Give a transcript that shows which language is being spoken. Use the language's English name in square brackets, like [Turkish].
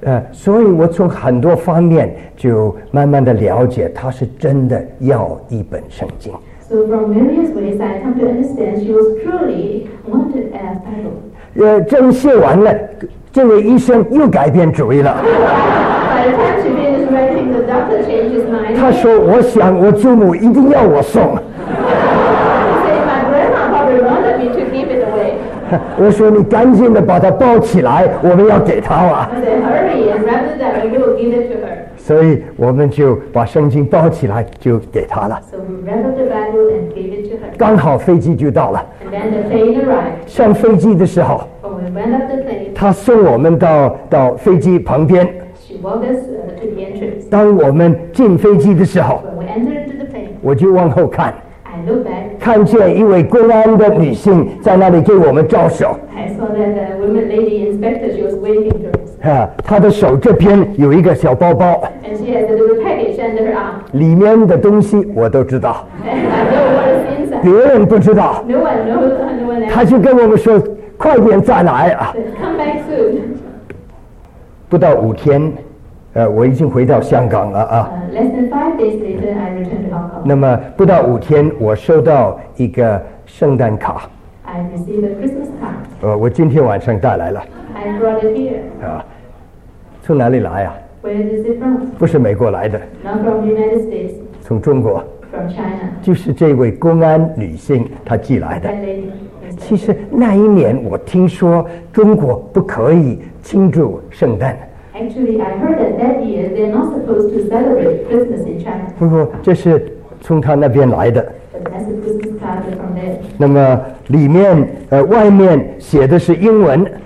[Chinese] 所以我从很多方面就慢慢的了解他是真的要一本圣经。 [English] So from various ways, I come to understand she was truly wanted a Bible. [Chinese] 针写完了，这位医生又改变主意了。 [English] By the time she finished writing, the doctor changed his mind. [Chinese] 他说：“我想我祖母一定要我送。” [English] He said, "My grandma probably wanted me to give it away." [Chinese] 我说：“你赶紧的把它抱起来，我们要给他啊。 [English] ”He said, "Hurry, and rather than we will give it to her." [Chinese] 所以我们就把圣经包起来就给他了。 [English] So we read the Bible and gave it to her. [Chinese] 刚好飞机就到了。 [English] And then the plane arrived. [Chinese] 上飞机的时候， [English] oh, we went up the plane. [Chinese] 他送我们到飞机旁边。 [English] She walked us to the entrance. [Chinese] 当我们进飞机的时候， [English] When we entered the plane, [Chinese] 我就往后看， [English] I looked back. [Chinese] 看见一位公安的女性在那里给我们招手。 [English] I saw that the woman lady inspector, she was waving to us. [Chinese] 他的手这边有一个小包包， [English] and she has a little package under her arm. [Chinese] 里面的东西我都知道。 [English] And I know what is inside. [Chinese] 别人不知道。 [English] No one knows, no one else. [Chinese] 他就跟我们说快点再来啊。 [English] Come back soon. [Chinese] 不到五天，我已经回到香港了啊。 [English] Less than 5 days later, I returned to Hong Kong. [Chinese] 那么不到五天，我收到一个圣诞卡。 [English] I received a Christmas card. [Chinese] 我今天晚上带来了。 [English] I brought it here. [Chinese] 从哪里来啊？ [English] Where is it from? [Chinese] 不是美国来的。 [English] Not from the United States. [Chinese] 从中国。 [English] From China. [Chinese] 就是这位公安女性她寄来的。其实那一年我听说中国不可以庆祝圣诞。 [English] Actually, I heard that that year they're not supposed to celebrate Christmas in China. [Chinese] 不过这是从她那边来的。 [English] But that's a Christmas card from there. [Chinese] 那么里面外面写的是英文。